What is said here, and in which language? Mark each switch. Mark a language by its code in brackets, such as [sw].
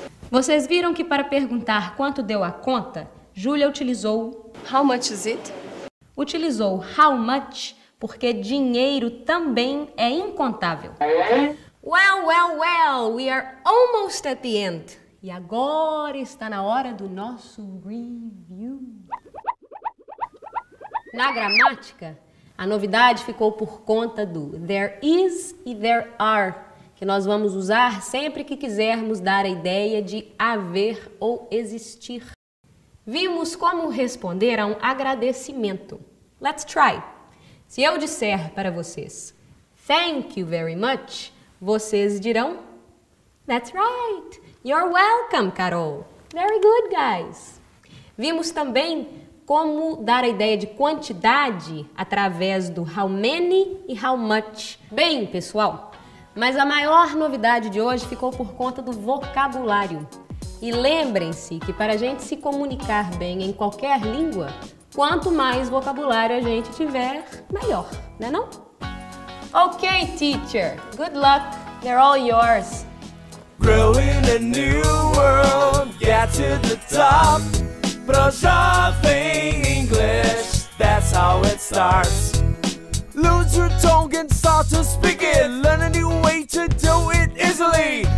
[pt] Vocês viram que para perguntar quanto deu a conta, Julia utilizou [en] how much is it? [pt] Utilizou [en] how much [pt] porque dinheiro também é incontável. [en] Well, well, well, we are almost at the end. [pt] E agora está na hora do nosso review. Na gramática, a novidade ficou por conta do [en] there is [pt] e [en] there are, [pt] que nós vamos usar sempre que quisermos dar a ideia de haver ou existir. Vimos como responder a um agradecimento. [en] Let's try. [pt] Se eu disser para vocês [en] thank you very much, [pt] vocês dirão [en] that's right, you're welcome, Carol. Very good, guys. [pt] Vimos também como dar a ideia de quantidade através do [en] how many [pt] e [en] how much. [pt] Bem, pessoal, mas a maior novidade de hoje ficou por conta do vocabulário. E lembrem-se que para a gente se comunicar bem em qualquer língua, quanto mais vocabulário a gente tiver, melhor, né não? [en] Ok, teacher. Good luck. They're all yours. Growing a new world, get to the top. Pro Jovem English, that's how it starts. Lose your tongue and start to speak it. Learn a new way to do it easily.